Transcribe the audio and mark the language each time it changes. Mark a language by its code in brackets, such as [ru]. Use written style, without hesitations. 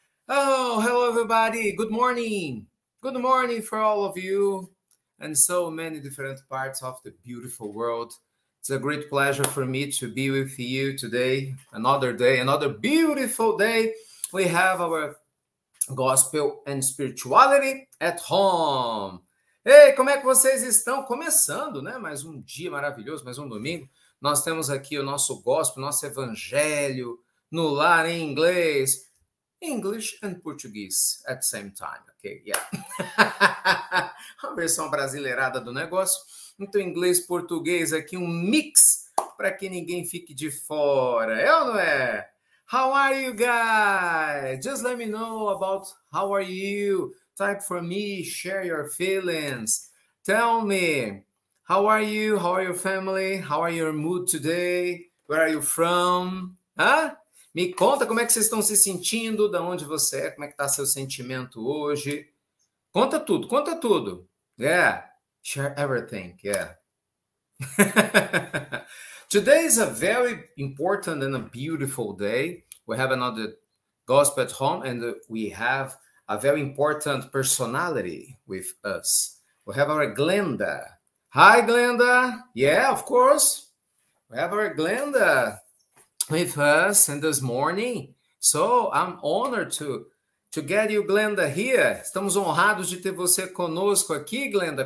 [en] Oh, hello everybody, good morning for all of you and so many different parts of the beautiful world. It's a great pleasure for me to be with you today, another day, another beautiful day. We have our gospel and spirituality at home. [pt] Ei, como é que vocês estão? Começando, né? Mais um dia maravilhoso, mais um domingo. Nós temos aqui o nosso gospel, nosso evangelho no lar em inglês. [en] English and Portuguese at the same time, ok? [pt] Yeah. A versão brasileirada do negócio. Então, inglês, português aqui, um mix para que ninguém fique de fora. É ou não é? [en] How are you guys? Just let me know about how are you. Type for me, share your feelings. Tell me, how are you? How are your family? How are your mood today? Where are you from? Huh? [pt] Me conta como é que vocês estão se sentindo, de onde você é, como é que está seu sentimento hoje. Conta tudo, conta tudo. [en] Yeah, share everything, yeah. Today is a very important and a beautiful day. We have another gospel at home and we have a very important personality with us. We have our Glenda. Hi, Glenda. Yeah, of course. We have our Glenda with us and this morning. So I'm honored to get you, Glenda, here. [pt] Estamos honrados de ter você conosco aqui, Glenda.